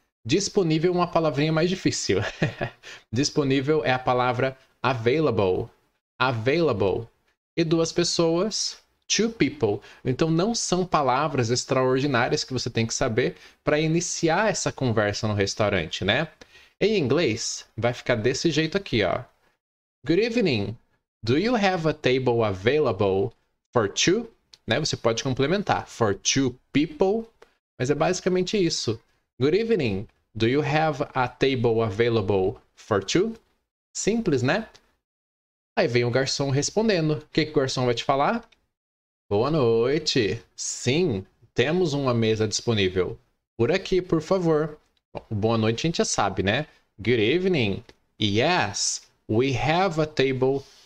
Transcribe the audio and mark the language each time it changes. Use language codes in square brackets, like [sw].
[pt] Disponível é uma palavrinha mais difícil. Disponível é a palavra available. Available. E duas pessoas, [en] two people. [pt] Então não são palavras extraordinárias que você tem que saber para iniciar essa conversa no restaurante, né? Em inglês, vai ficar desse jeito aqui, ó. [en] Good evening. Do you have a table available for two? [pt] Né? Você pode complementar. [en] For two people. [pt] Mas é basicamente isso. [en] Good evening. Do you have a table available for two? [pt] Simples, né? Aí vem o garçom respondendo. O que que o garçom vai te falar? Boa noite. Sim, temos uma mesa disponível. Por aqui, por favor. Bom, boa noite a gente já sabe, né? [en] Good evening. Yes, we have a table.